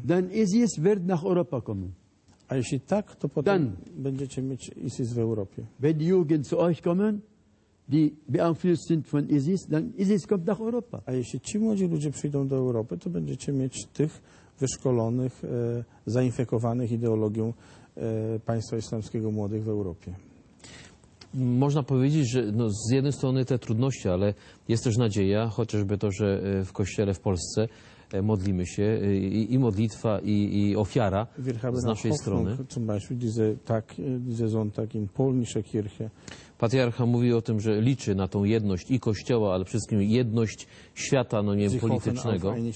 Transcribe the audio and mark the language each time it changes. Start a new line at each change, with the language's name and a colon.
German: Dann ist es wird nach Europa kommen.
Polish: A jeśli tak, to potem dann będziecie mieć ISIS w Europie.
German: Wenn die Jugend zu euch kommen, die beeinflusst sind von ISIS, dann ISIS kommt nach Europa.
Polish: A jeśli ci młodzi ludzie przyjdą do Europy, to będziecie mieć tych wyszkolonych, zainfekowanych ideologią państwa islamskiego młodych w Europie. Można powiedzieć, że no z jednej strony te trudności, ale jest też nadzieja, chociażby to, że w kościele w Polsce modlimy się i modlitwa i ofiara z naszej strony.
German: Zum Beispiel diese Sonntag in polnische Kirche.
Polish: Patriarcha mówi o tym, że liczy na tą jedność i Kościoła, ale przede wszystkim jedność świata, no nie wiem, politycznego.